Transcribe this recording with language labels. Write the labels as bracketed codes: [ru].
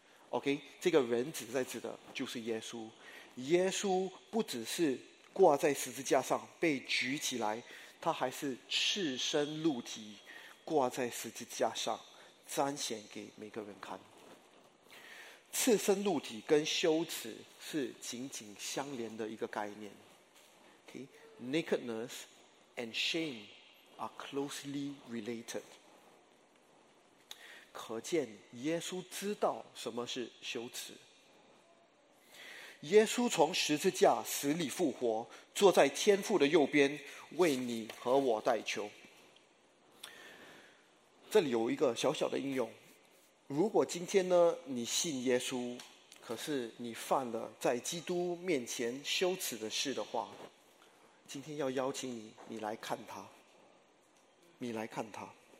[zh] OK， 这个人子在指的就是耶稣。耶稣不只是挂在十字架上被举起来，他还是赤身露体挂在十字架上，彰显给每个人看。赤身露体跟羞耻是紧紧相连的一个概念。 [en] OK，Nakedness and shame are closely related. [zh] 可见耶稣知道什么是羞耻。耶稣从十字架死里复活，坐在天父的右边，为你和我代求。这里有一个小小的应用，如果今天呢，你信耶稣，可是你犯了在基督面前羞耻的事的话，今天要邀请你，你来看他，你来看他。